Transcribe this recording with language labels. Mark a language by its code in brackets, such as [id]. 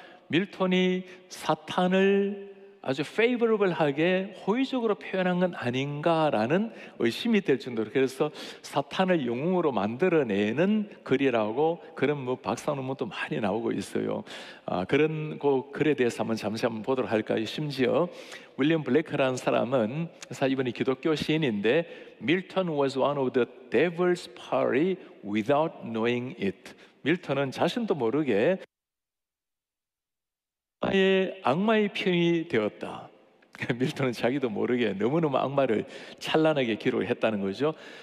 [ko] 밀턴이 사탄을 아주 favorable하게 호의적으로 표현한 건 아닌가라는 의심이 될 정도로, 그래서 사탄을 영웅으로 만들어내는 글이라고 그런 뭐 박사 논문도 많이 나오고 있어요. 아, 그런 그 글에 대해서 한번 잠시 한번 보도록 할까요? 심지어 윌리엄 블레이크라는 사람은, 이분이 기독교 시인인데, [en] Milton was one of the devil's party without knowing it. [ko] 밀턴은 자신도 모르게 아예 악마의 편이 되었다. 밀턴은 자기도 모르게 너무너무 악마를 찬란하게 기록했다는 거죠.